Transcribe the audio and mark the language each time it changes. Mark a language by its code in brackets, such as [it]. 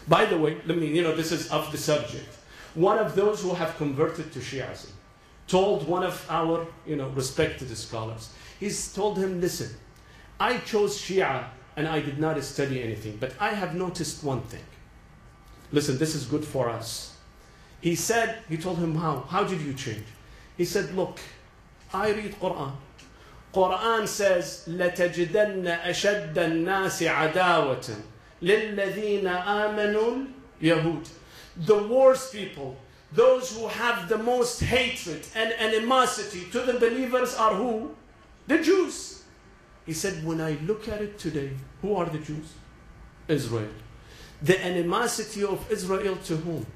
[en] By the way, let me, you know, this is off the subject. One of those who have converted to Shiaism told one of our, you know, respected scholars, he's told him, listen, I chose Shia and I did not study anything, but I have noticed one thing. Listen, this is good for us. He said, he told him, how did you change? He said, look, I read Quran. Quran says, [ar] لَتَجِدَنَّ أَشَدَّ النَّاسِ عَدَاوَةً لِلَّذِينَ آمَنُوا الْيَهُودِ. [en] The worst people, those who have the most hatred and animosity to the believers are who? The Jews. He said, when I look at it today, who are the Jews? Israel. The animosity of Israel to whom?